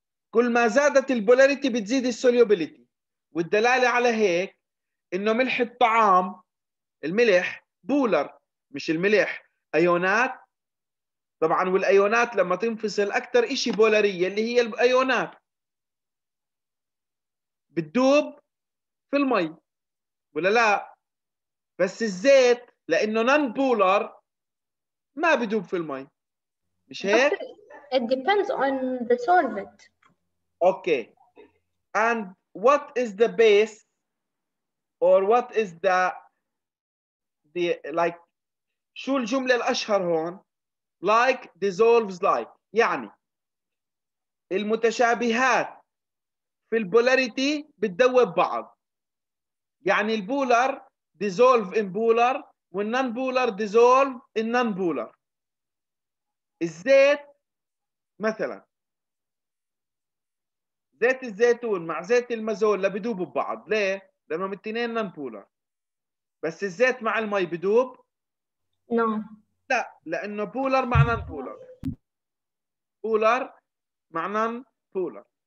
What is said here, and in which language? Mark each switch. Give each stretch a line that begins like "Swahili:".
Arabic: كل ما زادت البولاريتي بتزيد السوليوبيليتي، والدلالة على هيك انه ملح الطعام، الملح بولر مش الملح ايونات طبعا، والايونات لما تنفصل اكثر شيء بولاريه اللي هي الايونات بتدوب في المي ولا لا؟ بس الزيت لانه نون بولر ما بدوب في المي. مش هيك؟
English: It depends on the solvent. Okay. And what is the base or what is the like
Arabic: شو الجملة الأشهر هون؟
English: Like dissolves like.
Arabic: يعني المتشابهات في البولاريتي بتذوب بعض. يعني البولر
English: dissolve in polar
Arabic: والنون بولر
English: dissolve in non polar.
Arabic: الزيت مثلا زيت الزيتون مع زيت المازول لا بدوب ببعض. ليه؟ لانه الاثنين نون بولر. بس الزيت مع المي بدوب؟
English: no.
Arabic: لا، لانه بولر مع نون بولر، بولر مع نون بولر.